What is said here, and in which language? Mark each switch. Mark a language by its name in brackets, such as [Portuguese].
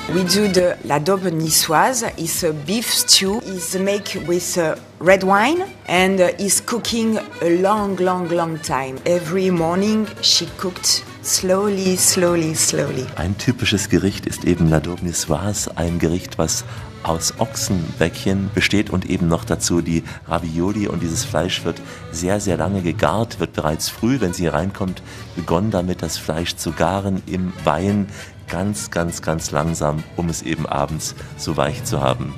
[English] We do the l'adobe niçoise. It's a beef stew. It's made with red wine and is cooking a long, long, long time. Every morning she cooked slowly, slowly, slowly. [German] Ein typisches Gericht ist eben l'adobe niçoise, ein Gericht, was aus Ochsenbäckchen besteht und eben noch dazu die Ravioli, und dieses Fleisch wird sehr, sehr lange gegart, wird bereits früh, wenn sie reinkommt, begonnen damit, das Fleisch zu garen im Wein, ganz, ganz, ganz langsam, um es eben abends so weich zu haben.